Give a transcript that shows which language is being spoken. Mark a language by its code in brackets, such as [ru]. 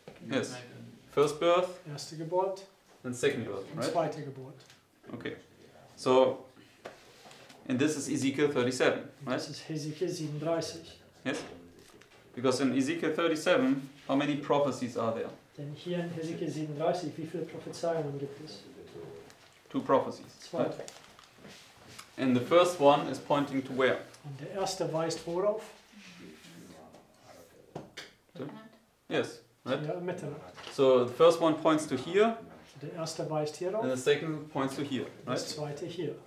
[en] Yes. First birth. [de] Erste Geburt. [en] Then second birth, right? [de] Zweite Geburt. [en] Okay. So, and this is Ezekiel 37, right? This is Ezekiel 37. Yes? Because in Ezekiel 37, how many prophecies are there? [de] Denn hier in Ezekiel 37, wie viele Prophezeiungen gibt es? [en] Two prophecies. [de] Zwei. [en] Right? And the first one is pointing to where? [de] Und der erste weist worauf? [en] Yes, right? [de] Ja, Mitte. [en] So, the first one points to here. [de] Der erste weist hier drauf. [en] And the second points to here, right? [de] Das zweite hier.